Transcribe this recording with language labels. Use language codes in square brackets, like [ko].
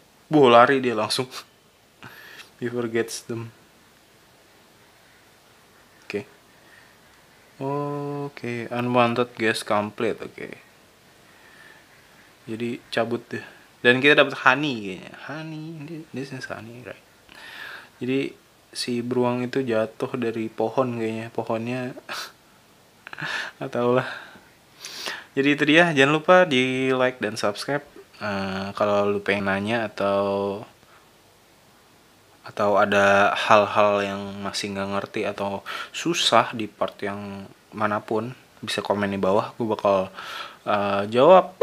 [id] Wow, lari dia langsung. [en] Before gets them. Oke. Okay. Oke, okay. Unwanted guest complete. Oke. Okay. [id] Jadi cabut deh. Dan kita dapat honey kayaknya. [en] Honey, this is honey, right? [id] Jadi si beruang itu jatuh dari pohon kayaknya. Pohonnya gak tau lah. Jadi itu dia, jangan lupa di like dan subscribe. Kalau lu pengen nanya atau ada hal-hal yang masih gak ngerti atau susah di part yang manapun, bisa komen di bawah, gue bakal jawab.